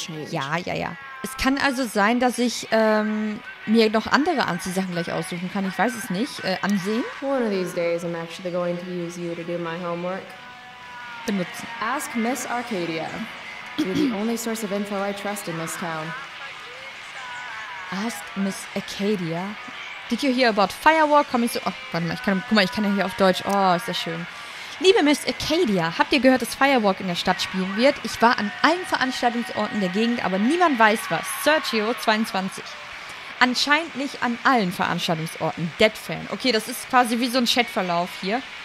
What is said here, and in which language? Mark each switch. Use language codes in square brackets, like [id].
[de] Ja. Es kann also sein, dass ich mir noch andere Anziehsachen gleich aussuchen kann. Ich weiß es nicht. Ansehen. [en] One of these days I'm actually going to use you to do my homework. [de] Benutzen. [en] Ask Miss Arcadia. You're the only source of info I trust in this town. Ask Miss Arcadia. Did you hear about Firewalk? [de] Komm ich so. Oh, warte mal, ich kann ja hier auf Deutsch. Oh, ist das schön. Liebe Miss Arcadia, habt ihr gehört, dass Firewalk in der Stadt spielen wird? Ich war an allen Veranstaltungsorten der Gegend, aber niemand weiß was. Sergio 22. Anscheinend nicht an allen Veranstaltungsorten. Deadfan. Okay, das ist quasi wie so ein Chatverlauf hier.